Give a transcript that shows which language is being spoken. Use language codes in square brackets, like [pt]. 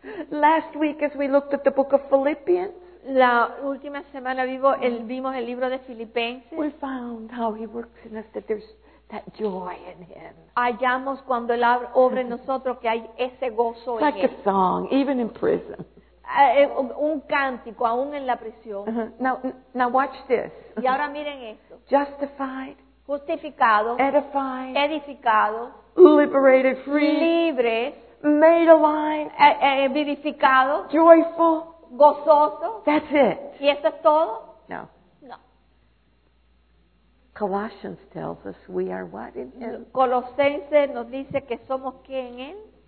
[en] Last week, as we looked at the book of Philippians, [es] la última semana vimos el libro de Filipenses. [en] We found how He works in us, that there's that joy in Him. [es] Hallamos cuando Él obra en nosotros que hay ese gozo en Él. [en] Like a song, even in prison. [es] Un cántico, aún en la prisión. [en] Now watch this. [es] Y ahora miren esto. [en] Justified. [es] Justificado. [en] Edified. [es] Edificado. [en] Liberated, free. [es] Libre. [en] Made alive. [es] Vivificado. [en] Joyful. [es] Gozoso. [en] That's it. [es] ¿Y eso es todo? [en] No. Colossians tells us we are what in Him? [es] Colosense nos dice que somos ¿qué en Él?